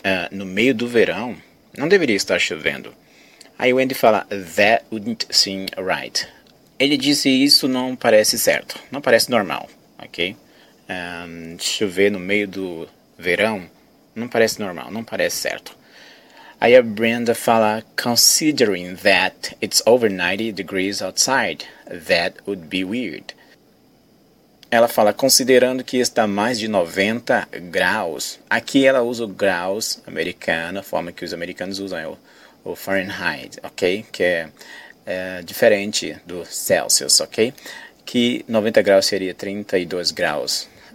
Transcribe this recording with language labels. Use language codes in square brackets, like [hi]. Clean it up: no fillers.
[pt] No meio do verão, não deveria estar chovendo. Aí o Andy fala, [en] that wouldn't seem right. [pt] Ele disse, isso não parece certo. Não parece normal, ok? Chover no meio do verão, não parece normal, não parece certo. Aí a Brenda fala, [en] considering that it's over 90 degrees outside, that would be weird. [pt] Ela fala, considerando que está mais de 90 graus. Aqui ela usa o graus americano, a forma que os americanos usam é o Fahrenheit, ok? Que é diferente do Celsius, ok? Que 90 graus seria 32 graus.